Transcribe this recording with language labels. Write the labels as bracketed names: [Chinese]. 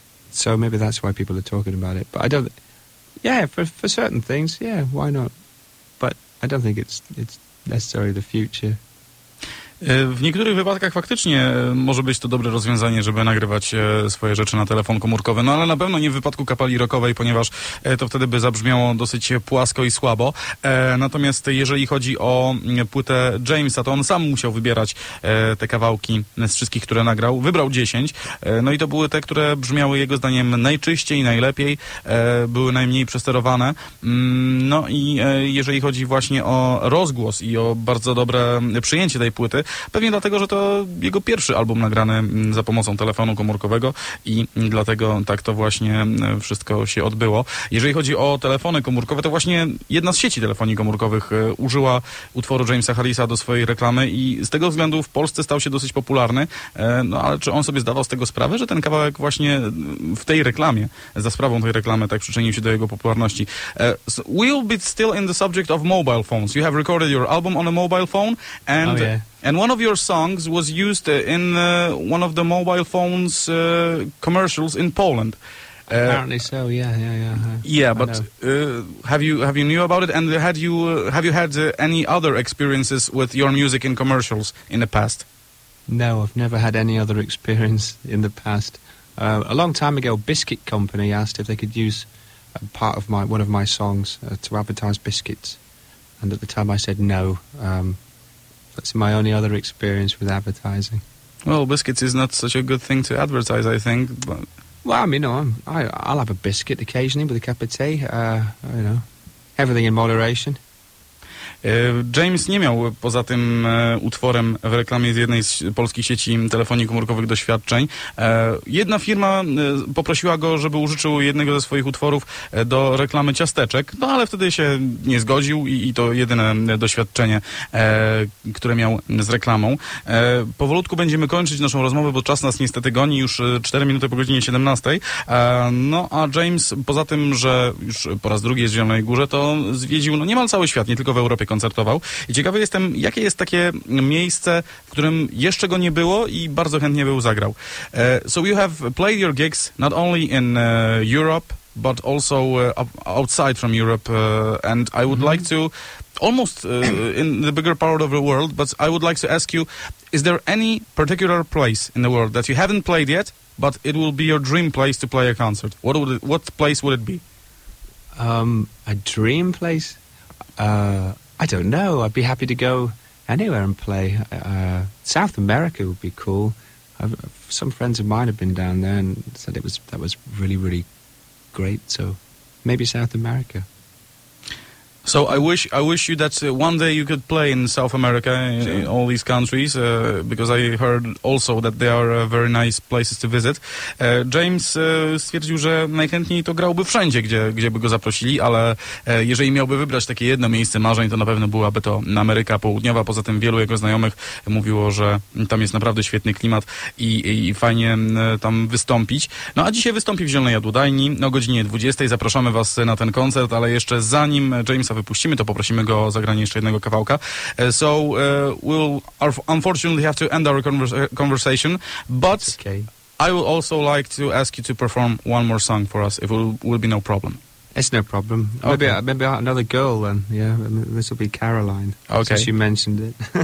[English] So maybe that's why people are talking about it. But I don't. Yeah, for certain things, yeah, why not? I don't think it's necessarily the future. [Polish] W niektórych wypadkach faktycznie może być to dobre rozwiązanie, żeby nagrywać swoje rzeczy na telefon komórkowy, no ale na pewno nie w wypadku kapeli rockowej, ponieważ to wtedy by zabrzmiało dosyć płasko i słabo. Natomiast jeżeli chodzi o płytę Jamesa, to on sam musiał wybierać te kawałki z wszystkich, które nagrał. Wybrał 10, no i to były te, które brzmiały jego zdaniem najczyściej, najlepiej, były najmniej przesterowane. No i jeżeli chodzi właśnie o rozgłos i o bardzo dobre przyjęcie tej płyty, pewnie dlatego, że to jego pierwszy album nagrany za pomocą telefonu komórkowego i dlatego tak to właśnie wszystko się odbyło. Jeżeli chodzi o telefony komórkowe, to właśnie jedna z sieci telefonii komórkowych użyła utworu Jamesa Harrisa do swojej reklamy i z tego względu w Polsce stał się dosyć popularny. No ale czy on sobie zdawał z tego sprawę, że ten kawałek właśnie w tej reklamie, za sprawą tej reklamy, tak przyczynił się do jego popularności? [English] So we'll be still in the subject of mobile phones. You have recorded your album on a mobile phone and... Oh, yeah. And one of your songs was used in one of the mobile phones commercials in Poland. Apparently so. Yeah. Yeah, but have you knew about it? And have you had any other experiences with your music in commercials in the past? No, I've never had any other experience in the past. A long time ago, Biscuit Company asked if they could use one of my songs to advertise biscuits, and at the time I said no. That's my only other experience with advertising. Well, biscuits is not such a good thing to advertise, I think. But... Well, I mean, no, I'll have a biscuit occasionally with a cup of tea. You know, everything in moderation. [Polish] James nie miał poza tym utworem w reklamie z jednej z polskich sieci telefonii komórkowych doświadczeń. Jedna firma poprosiła go, żeby użyczył jednego ze swoich utworów do reklamy ciasteczek, no ale wtedy się nie zgodził i to jedyne doświadczenie, które miał z reklamą. Powolutku będziemy kończyć naszą rozmowę, bo czas nas niestety goni, już 4 minuty po godzinie 17. No a James poza tym, że już po raz drugi jest w Zielonej Górze, to zwiedził no, niemal cały świat, nie tylko w Europie koncertował. I ciekawy jestem, jakie jest takie miejsce, w którym jeszcze go nie było i bardzo chętnie by zagrał. [English] So you have played your gigs not only in Europe but also outside from Europe and I would like to almost in the bigger part of the world, but I would like to ask you, is there any particular place in the world that you haven't played yet but it will be your dream place to play a concert? What place would it be? A dream place? I don't know. I'd be happy to go anywhere and play. South America would be cool. Some friends of mine have been down there and said that was really, really great. So maybe South America. So I wish you that one day you could play in South America, in all these countries, because I heard also that they are very nice places to visit. [Polish] James stwierdził, że najchętniej to grałby wszędzie, gdzie by go zaprosili, ale jeżeli miałby wybrać takie jedno miejsce marzeń, to na pewno byłaby to Ameryka Południowa. Poza tym wielu jego znajomych mówiło, że tam jest naprawdę świetny klimat i fajnie tam wystąpić. No a dzisiaj wystąpi w Zielonej Jadłodajni o godzinie 20. Zapraszamy was na ten koncert, ale jeszcze zanim James wypuścimy, to poprosimy go o zagranie jeszcze jednego kawałka. [English] So we'll unfortunately have to end our conversation, but okay. I will also like to ask you to perform one more song for us, if it will be no problem. It's no problem. Okay. Maybe another girl then. Yeah, this will be Caroline. Okay. Since you mentioned it.